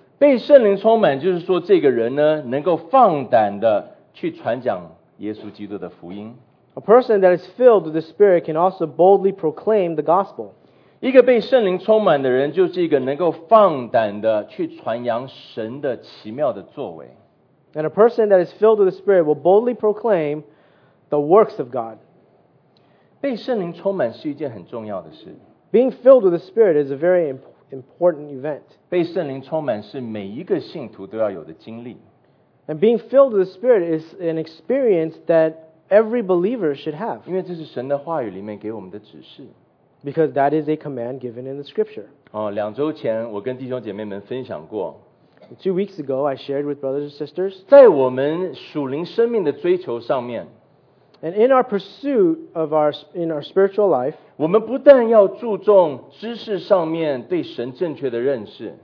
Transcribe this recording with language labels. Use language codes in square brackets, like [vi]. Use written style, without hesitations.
[zh] 被圣灵充满就是说这个人呢能够放胆的去传讲耶稣基督的福音。 [en] A person that is filled with the Spirit can also boldly proclaim the gospel. [zh] 一个被圣灵充满的人就是一个能够放胆的去传扬神的奇妙的作为。 [en] And a person that is filled with the Spirit will boldly proclaim the works of God. [zh] 被圣灵充满是一件很重要的事。 [en] Being filled with the Spirit is a very important event. [zh] 被圣灵充满是每一个信徒都要有的经历。 [en] And being filled with the Spirit is an experience that every believer should have. [zh] 因为这是神的话语里面给我们的指示。 [en] Because that is a command given in the Scripture. [zh] 哦，两周前我跟弟兄姐妹们分享过。 [en] Two weeks ago, I shared with brothers and sisters. [zh] 在我们属灵生命的追求上面。 [en] And in our pursuit of our spiritual life, [zh] 我们不但要注重知识上面对神正确的认识。